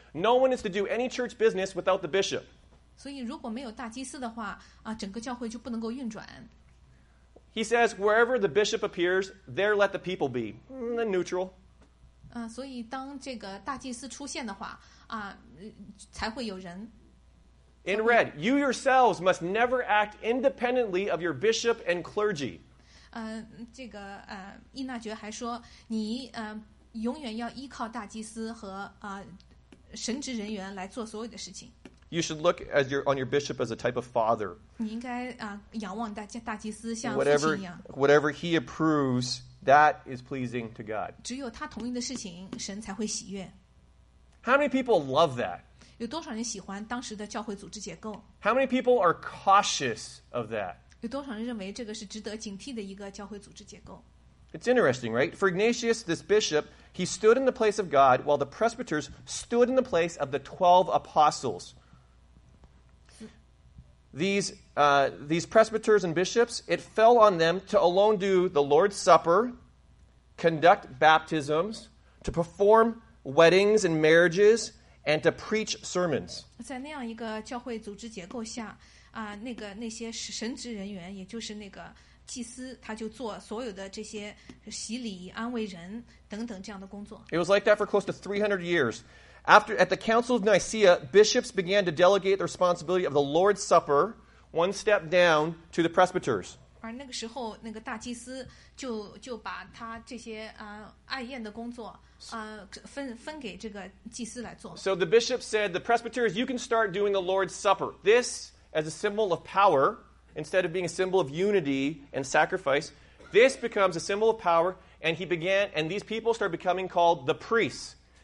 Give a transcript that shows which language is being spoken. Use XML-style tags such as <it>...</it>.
<en>No one is to do any church business without the bishop.</en> <zh>所以如果没有大祭司的话，整个教会就不能够运转。</zh> <en>He says, wherever the bishop appears, there let the people be. Neutral.</en> <zh>所以当这个大祭司出现的话，才会有人。</zh> <en>In red, you yourselves must never act independently of your bishop and clergy.</en> <zh>这个伊纳爵还说，你永远要依靠大祭司和神职人员来做所有的事情。</zh> <en>You should look at your bishop as a type of father.</en> <zh>你应该仰望大祭司像父亲一样。</zh> <en>Whatever he approves, that is pleasing to God.</en> <zh>只有他同意的事情，神才会喜悦。</zh> <en>How many people love that?</en> <zh>有多少人喜欢当时的教会组织结构？</zh> <en>How many people are cautious of that?</en> <zh>有多少人认为这个是值得警惕的一个教会组织结构？</zh> <en>It's interesting, right? For Ignatius, this bishop, he stood in the place of God, while the presbyters stood in the place of the 12 apostles. These presbyters and bishops, it fell on them to alone do the Lord's Supper, conduct baptisms, to perform weddings and marriages, and to preach sermons.</en> <zh>在那样一个教会组织结构下，那些神职人员，也就是那个祭司，他就做所有的这些洗礼、安慰人等等这样的工作。</zh> <en>It was like that for close to 300 years. At the Council of Nicaea, bishops began to delegate the responsibility of the Lord's Supper one step down to the presbyters.</en> <zh>而那个时候，那个大祭司就把他这些爱宴的工作分给这个祭司来做。</zh> <en>So the bishop said, "The presbyters, you can start doing the Lord's Supper. This, as a symbol of power, instead of being a symbol of unity and sacrifice, this becomes a symbol of power." And these people start becoming called the priests.</en>